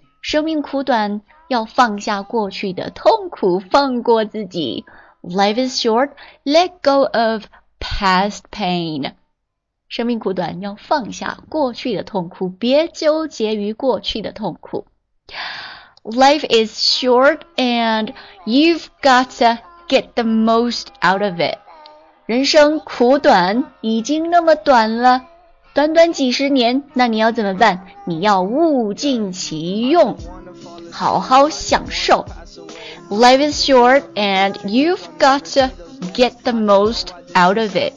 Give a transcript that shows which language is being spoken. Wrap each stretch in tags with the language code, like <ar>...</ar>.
<zh>生命苦短，要放下过去的痛苦，放过自己。</zh> <en>Life is short, let go of past pain.</en> <zh>生命苦短，要放下过去的痛苦，别纠结于过去的痛苦。</zh> <en>Life is short and you've got to get the most out of it.</en> <zh>人生苦短，已经那么短了。短短几十年，那你要怎么办？你要物尽其用，好好享受。</zh> <en>Life is short and you've got to get the most out of it.</en>